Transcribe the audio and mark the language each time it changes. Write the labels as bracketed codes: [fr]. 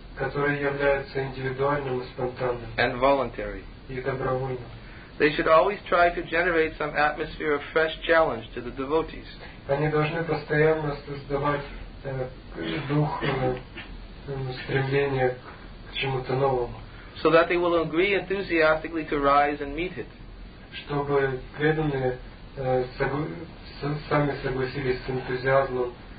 [ru] Которые являются индивидуальным и спонтанным. [en] And voluntary. [ru] И добровольным. [en] They should always try to generate some atmosphere of fresh challenge to the devotees. [ru] Они должны постоянно создавать дух стремления к чему-то новому. [en] So that they will agree enthusiastically to rise and meet it. [ru] Чтобы преданные сами согласились с энтузиазмом.